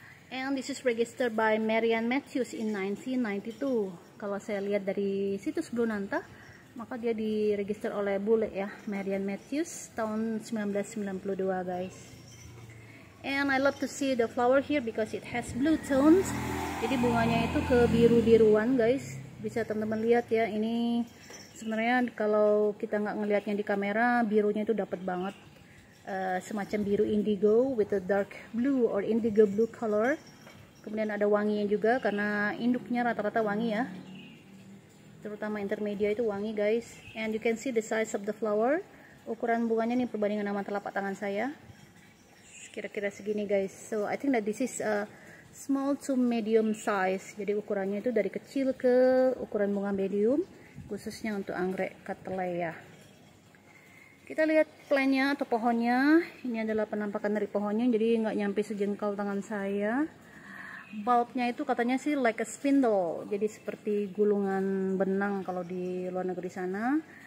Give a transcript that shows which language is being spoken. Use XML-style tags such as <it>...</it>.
<en>And this is registered by Marianne Matthews in 1992.</en> <id>Kalau saya lihat dari situs Brunanta, maka dia diregister oleh bule ya, Marianne Matthews tahun 1992, guys.</id> <en>And I love to see the flower here because it has blue tones.</en> <id>Jadi bunganya itu ke biru-biruan, guys. Bisa teman-teman lihat ya, ini sebenarnya kalau kita nggak ngelihatnya di kamera, birunya itu dapat banget, semacam biru indigo</id> <en>with a dark blue or indigo blue color.</en> <id>Kemudian ada wanginya juga karena induknya rata-rata wangi ya, terutama Intermedia itu wangi, guys.</id> <en>And you can see the size of the flower,</en> <id>ukuran bunganya nih perbandingan sama telapak tangan saya kira-kira segini, guys.</id> <en>So I think that this is a small to medium size.</en> <id>Jadi ukurannya itu dari kecil ke ukuran bunga medium, khususnya untuk anggrek Cattleya. Kita lihat plannya atau pohonnya. Ini adalah penampakan dari pohonnya, jadi nggak nyampe sejengkal tangan saya. Bulbnya itu katanya sih</id> <en>like a spindle,</en> <id>jadi seperti gulungan benang kalau di luar negeri sana.</id>